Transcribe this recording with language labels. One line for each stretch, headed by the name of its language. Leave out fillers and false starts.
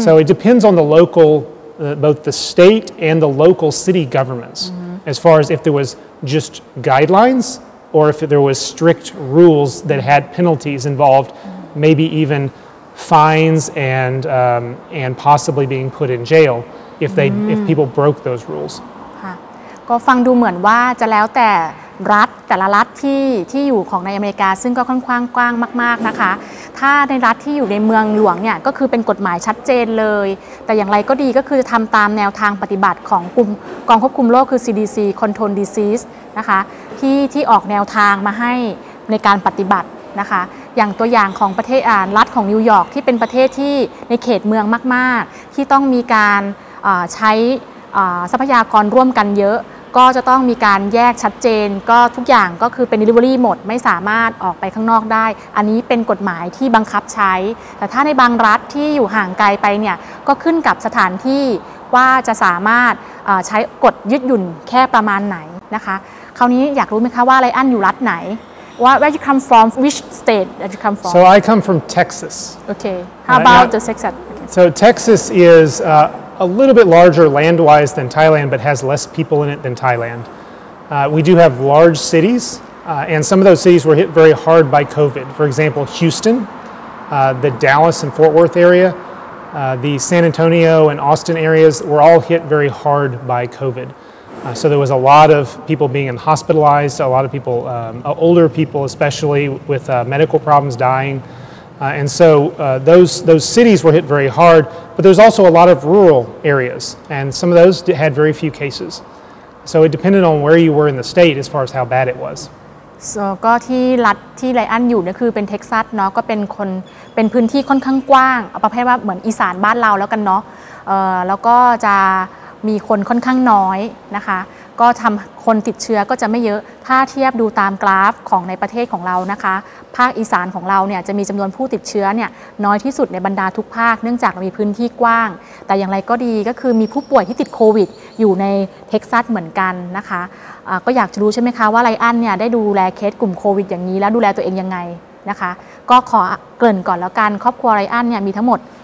English: So it depends on the local, both the state and the local city governments, mm-hmm. as far as if there was just guidelines or if there was strict rules that had penalties involved. Maybe even fines and possibly being put in jail if people broke those rules.
Thai: ก็ฟังดูเหมือนว่าจะแล้วแต่รัฐแต่ละรัฐที่อยู่ของในอเมริกาซึ่งก็ค่อนข้างกว้างมากๆนะคะถ้าในรัฐที่อยู่ในเมืองหลวงเนี่ยก็คือเป็นกฎหมายชัดเจนเลยแต่อย่างไรก็ดีก็คือจะทำตามแนวทางปฏิบัติของกลุ่มกองควบคุมโรคคือ CDC Control Disease นะคะที่ออกแนวทางมาให้ในการปฏิบัตินะคะอย่างตัวอย่างของประเทศรัฐของนิวยอร์กที่เป็นประเทศที่ในเขตเมืองมากๆที่ต้องมีการใช้ ทรัพยากรร่วมกันเยอะก็จะต้องมีการแยกชัดเจนก็ทุกอย่างก็คือเป็น delivery หมดไม่สามารถออกไปข้างนอกได้อันนี้เป็นกฎหมายที่บังคับใช้แต่ถ้าในบางรัฐที่อยู่ห่างไกลไปเนี่ยก็ขึ้นกับสถานที่ว่าจะสามารถใช้กฎยืดหยุ่นแค่ประมาณไหนนะคะคราวนี้อยากรู้ไหมคะว่าไรอันอยู่รัฐไหน
English: Where do you come from? Which state do you come from? So I come from Texas. Okay. How about the Texas? Okay. So Texas is a little bit larger land-wise than Thailand, but has less people in it than Thailand. We do have large cities, and some of those cities were hit very hard by COVID. For example, Houston, the Dallas and Fort Worth area, the San Antonio and Austin areas were all hit very hard by COVID. So there was a lot of people being hospitalized, a lot of people, older people especially, with medical problems dying. And so those cities were hit very hard, but there's also a lot of rural areas, and some of those had very few cases. So it depended on where you were in the state as far as how bad it was.
Thai: ก็ที่รัฐที่ไลอันอยู่เนี่ยคือเป็นเท็กซัสเนาะก็เป็นคนเป็นพื้นที่ค่อนข้างกว้างเอาประเภทว่าเหมือนอีสานบ้านเราแล้วกันเนาะแล้วก็จะ มีคนค่อนข้างน้อยนะคะก็ทำคนติดเชื้อก็จะไม่เยอะถ้าเทียบดูตามกราฟของในประเทศของเรานะคะภาคอีสานของเราเนี่ยจะมีจำนวนผู้ติดเชื้อเนี่ยน้อยที่สุดในบรรดาทุกภาคเนื่องจากเรามีพื้นที่กว้างแต่อย่างไรก็ดีก็คือมีผู้ป่วยที่ติดโควิดอยู่ในเท็กซัสเหมือนกันนะคะก็อยากจะรู้ใช่ไหมคะว่าไลอันเนี่ยได้ดูแลเคสกลุ่มโควิดอย่างนี้แล้วดูแลตัวเองยังไงนะคะก็ขอเกริ่นก่อนแล้วกันครอบครัวไลอันเนี่ยมีทั้งหมด